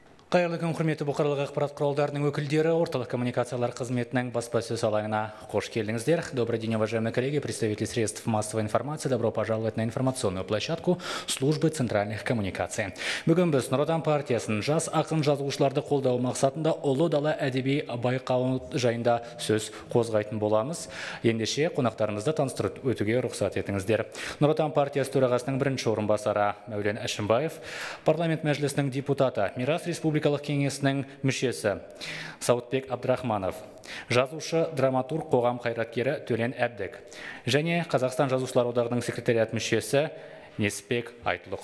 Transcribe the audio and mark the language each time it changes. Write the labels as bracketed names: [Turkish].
[Kazakh] Қайырлы күн, құрметті бұқаралық ақпарат құралдарының өкілдері, орталық коммуникациялар қызметінің баспасөз алаңына қош келдіңіздер. [Russian] Добрый день, уважаемые коллеги, представители средств массовой информации, добро пожаловать на информационную площадку службы центральных коммуникаций. [Kazakh] Бүгін біз Нұр Отан партиясының жас ақын жазушыларды қолдау мақсатында Ұлы дала әдеби байқауы жайында сөз қозғайтын боламыз. Ендеше қонақтарымызды таныстырып өтуге рұқсат етіңіздер. Нұр Отан партиясы төрағасының бірінші орынбасары Мәулен Әшімбаев, парламент мәжілісінің депутаты Мирас республикалық кеңесінің мүшесі Саутбек Абдрахманов, жазушы драматург қоғам қайраткері Төлен Әбдік және Қазақстан жазушылар одағының секретариат мүшесі Несіпбек Айтұлы.